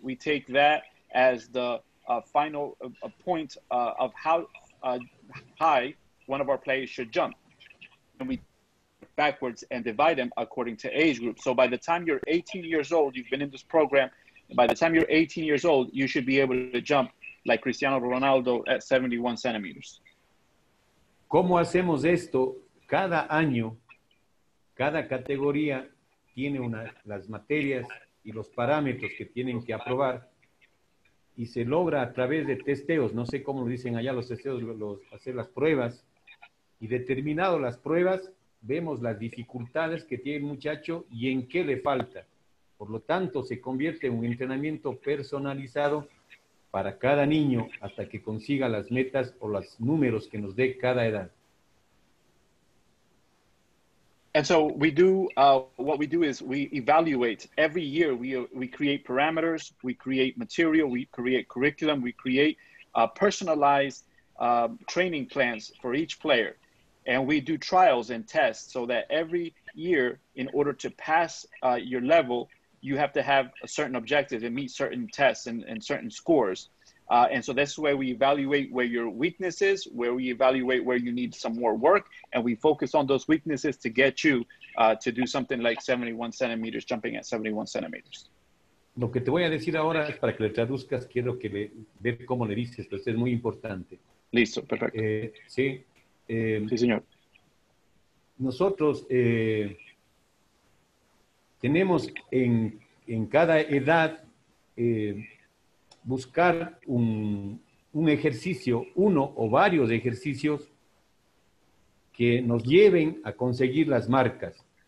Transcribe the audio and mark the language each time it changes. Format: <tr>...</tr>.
<en>We take that as the final point of how high one of our players should jump. And we backwards and divide them according to age group. So by the time you're 18 years old, you've been in this program, by the time you're 18 years old, you should be able to jump like Cristiano Ronaldo at 71 centimeters.</en> <es>¿Cómo hacemos esto? Cada año, cada categoría tiene las materias y los parámetros que tienen que aprobar y se logra a través de testeos. No sé cómo lo dicen allá los testeos, hacer las pruebas y determinado las pruebas, vemos las dificultades que tiene el muchacho y en qué le falta. Por lo tanto, se convierte en un entrenamiento personalizado para cada niño hasta que consiga las metas o los números que nos dé cada edad.</es> <en>And so we do, what we do is we evaluate every year. We create parameters, we create material, we create curriculum, we create personalized training plans for each player. And we do trials and tests so that every year, in order to pass your level, you have to have a certain objective and meet certain tests and certain scores. And so that's where we evaluate where your weakness is, where we evaluate where you need some more work, and we focus on those weaknesses to get you to do something like 71 centimeters, jumping at 71 centimeters.</en> <es>Lo que te voy a decir ahora es para que le traduzcas, quiero que le, ver cómo le dices, pero es muy importante. Listo, perfecto. Sí. Sí, señor. Nosotros tenemos en cada edad buscar un ejercicio, uno o varios ejercicios que nos lleven a conseguir las marcas.</es>